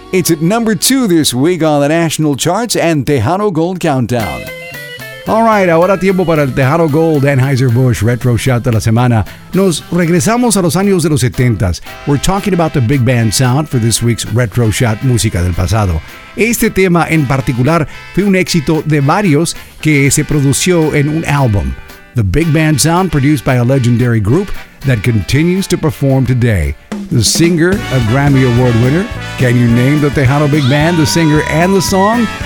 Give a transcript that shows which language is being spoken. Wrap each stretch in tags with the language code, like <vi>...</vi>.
<en>It's at number 2 this week on the national charts and Tejano Gold Countdown. All right,</en> <es>ahora tiempo para el Tejano Gold Anheuser-Busch Retro Shot de la Semana. Nos regresamos a los años de los 70s.</es> <en>We're talking about the big band sound for this week's Retro Shot Música del Pasado.</en> <es>Este tema en particular fue un éxito de varios que se produjo en un álbum.</es> <en>The big band sound produced by a legendary group that continues to perform today. The singer, a Grammy Award winner. Can you name the Tejano big band, the singer, and the song?</en>